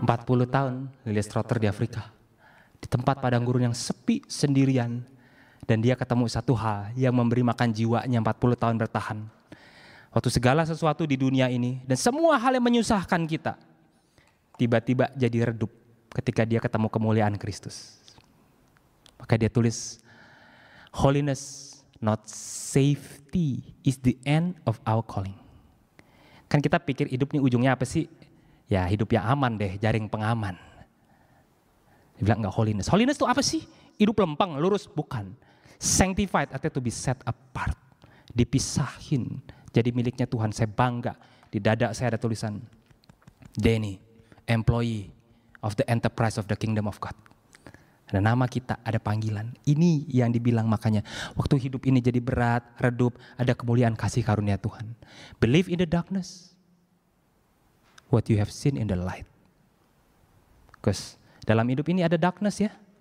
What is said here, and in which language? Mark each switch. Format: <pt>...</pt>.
<id>Puluh tahun Lilias Trotter di Afrika, di tempat padang gurun yang sepi sendirian, dan dia ketemu satu hal yang memberi makan jiwanya 40 tahun bertahan. Waktu segala sesuatu di dunia ini dan semua hal yang menyusahkan kita tiba-tiba jadi redup ketika dia ketemu kemuliaan Kristus. Maka dia tulis,</id> <en>"Holiness, not safety, is the end of our calling."</en> <id>Kan kita pikir hidup ini ujungnya apa sih? Ya hidup yang aman deh, jaring pengaman. Dia bilang enggak, holiness. Holiness itu apa sih? Hidup lempeng, lurus? Bukan.</id> <en>Sanctified,</en> <id>artinya</id> <en>to be set apart.</en> <id>Dipisahin, jadi miliknya Tuhan. Saya bangga, di dada saya ada tulisan, Danny,</id> <en>employee of the enterprise of the kingdom of God.</en> <id>Ada nama kita, ada panggilan. Ini yang dibilang makanya, waktu hidup ini jadi berat, redup, ada kemuliaan kasih karunia Tuhan.</id> <en>Believe in the darkness. What you have seen in the light. Because</en> <id>dalam hidup ini ada darkness ya.</id>